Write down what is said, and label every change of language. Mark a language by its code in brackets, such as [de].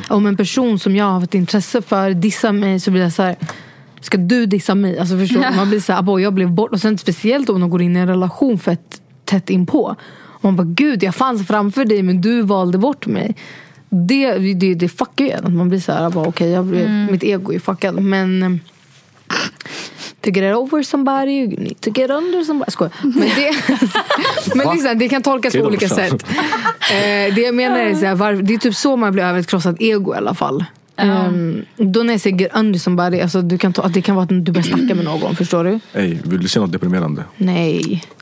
[sv] Om en person som jag har haft intresse för dissar mig, så blir jag så här, ska du dissa mig? Alltså förstår du? Man blir så här, jag blev bort. Och sen speciellt om de går in i en relation för ett tätt inpå. Och man bara, gud, jag fanns framför dig men du valde bort mig. Det fuckar ju en. Man blir så här, okej, mitt ego är fuckad. Men [en] to get over somebody, you need to get under somebody. [sv] Skoj. Men det, men liksom, det kan tolkas på olika sätt. Det jag menar är så här, var, det är typ så man blir över ett krossat ego i alla fall. Då när jag säger [en] under somebody, [sv] alltså, du kan ta, att det kan vara att du börjar snacka med någon, förstår du? Hey, vill du se något deprimerande? Nej.